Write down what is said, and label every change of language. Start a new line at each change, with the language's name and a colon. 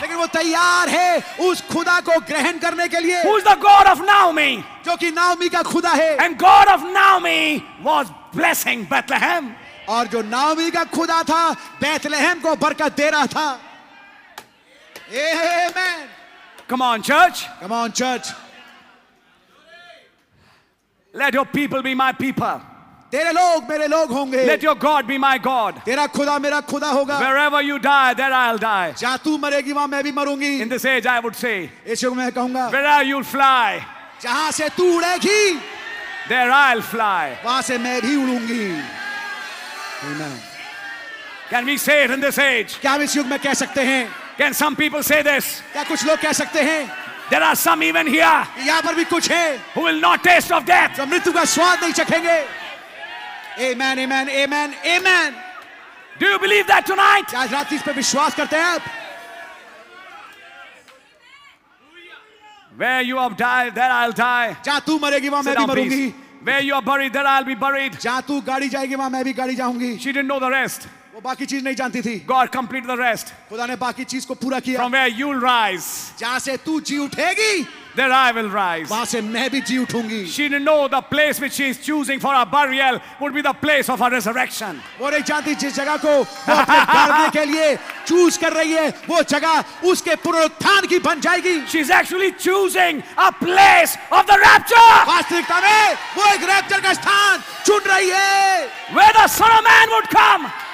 Hindi: लेकिन वो तैयार है उस खुदा को ग्रहण करने के लिए.
English: Who's the God of Naomi?
Hindi: जो कि नाओमी का खुदा है.
English: And God of Naomi was blessing Bethlehem.
Hindi: और जो नाओमी का खुदा था बैतलहम को बरकत दे रहा था.
English: Amen. Come on, church. Come on, church. Let your people be my people.
Hindi: तेरे लोग मेरे लोग होंगे.
English: Let your God be my God.
Hindi: तेरा खुदा मेरा खुदा होगा.
English: Wherever you die, there I'll die.
Hindi: जहाँ तू मरेगी वहाँ मैं भी मरूंगी.
English: In this age, I would say.
Hindi: इस युग में कहूँगा.
English: Wherever you'll fly.
Hindi: जहाँ से तू उड़ेगी.
English: There I'll fly.
Hindi: वहाँ से मैं भी उड़ूंगी. Amen.
English: Can we say it in this age?
Hindi: क्या हम इस युग में कह सकते हैं?
English: Can some people say this?
Hindi: क्या कुछ लोग कह सकते हैं?
English: There are some even here.
Hindi: यहाँ पर भी कुछ हैं.
English: Who will not taste of death?
Hindi: जो मृत्यु का स्वाद नहीं चखेंगे.
English: Amen, amen, amen, amen. Do you believe that tonight?
Hindi: आज रात इस पे विश्वास करते हैं आप?
English: Where you have died, there I'll die.
Hindi: जहाँ तू मरेगी वहाँ मैं भी मरूंगी.
English: Where you are buried, there I'll be buried.
Hindi: जहाँ तू गाड़ी जाएगी वहाँ मैं भी गाड़ी जाऊँगी.
English: She didn't know the rest.
Hindi: वो बाकी चीज नहीं जानती थी.
English: God complete the rest.
Hindi: खुदा ने बाकी चीज को पूरा किया.
English: From where you'll rise.
Hindi: जहाँ से तू जी उठेगी.
English: There I will rise.
Hindi: वहाँ से मैं भी जी उठूंगी.
English: She didn't know the place which she is choosing for her burial would be the place of her resurrection.
Hindi: वो नहीं जानती जिस जगह को वो अपने गाड़ने के लिए चूज कर रही है वो जगह उसके पुनरुत्थान की बन जाएगी.
English: She is actually choosing a place of the rapture.
Hindi: वास्तविकता में वो एक रैप्चर का स्थान चुन रही है.
English: Where the Son of Man would come.